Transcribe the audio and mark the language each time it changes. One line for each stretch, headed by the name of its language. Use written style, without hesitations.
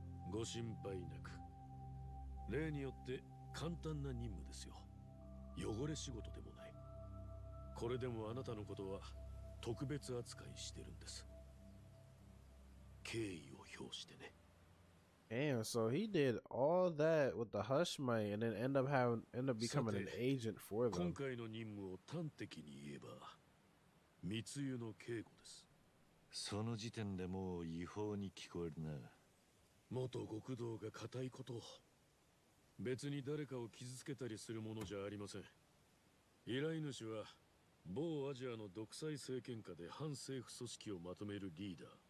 Japanese: ご心配なく。例によって簡単な任務ですよ。汚れ仕事でもない。これでもあなたのことは特別扱いしてるんです。敬意を表してね。
English: Damn, so he did all that with the hush money and then end up becoming an agent for them.
Japanese: 今回の任務を端的に言えば、密輸の警護です。その時点でもう違法に聞こえるな。元極道が固いこと。別に誰かを傷つけたりするものじゃありません。依頼主は某アジアの独裁政権下で反政府組織をまとめるリーダー。